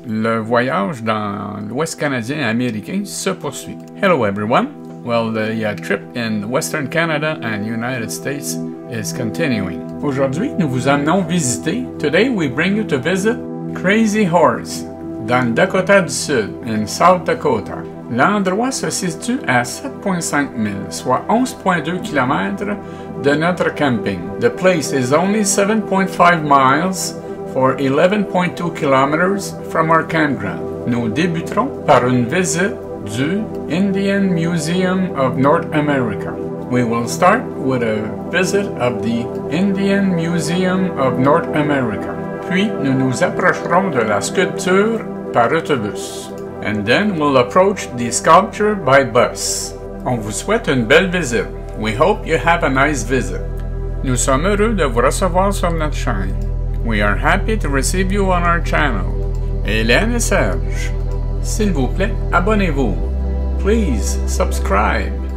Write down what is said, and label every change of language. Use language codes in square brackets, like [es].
[fr] Le voyage dans l'Ouest canadien et américain se poursuit. [en] Hello everyone. Well, the trip in Western Canada and United States is continuing. [fr] Aujourd'hui, nous vous amenons visiter. [en] Today we bring you to visit [fr] Crazy Horse dans le Dakota du Sud, [en] in South Dakota. [fr] L'endroit se situe à 7,5 milles, soit 11,2 km de notre camping. [en] The place is only 7.5 miles or 11.2 kilometers from our campground. [fr] Nous débuterons par une visite du Indian Museum of North America. [en] We will start with a visit of the Indian Museum of North America. [fr] Puis nous nous approcherons de la sculpture par autobus. [en] And then we'll approach the sculpture by bus. [fr] On vous souhaite une belle visite. [en] We hope you have a nice visit. [fr] Nous sommes heureux de vous recevoir sur notre chaîne. [en] We are happy to receive you on our channel. [fr] Hélène et Serge, s'il vous plaît, abonnez-vous. [en] Please subscribe.